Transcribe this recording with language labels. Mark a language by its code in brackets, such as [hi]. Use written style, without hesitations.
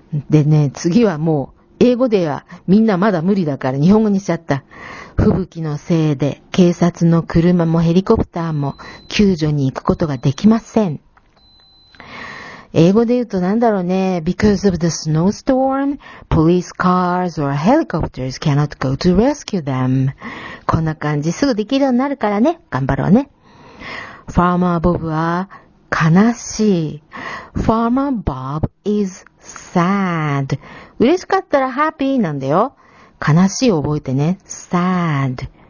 [ja] でね、次はもう、英語ではみんなまだ無理だから日本語にしちゃった。吹雪のせいで警察の車もヘリコプターも救助に行くことができません。英語で言うとなんだろうね。 [en] Because of the snowstorm, police cars or helicopters cannot go to rescue them. [ja] こんな感じ。すぐできるようになるからね。頑張ろうね。 Farmer Bob は悲しい。 [en] Farmer Bob is sad. [ja] 嬉しかったら happy なんだよ。悲しい覚えてね。sad。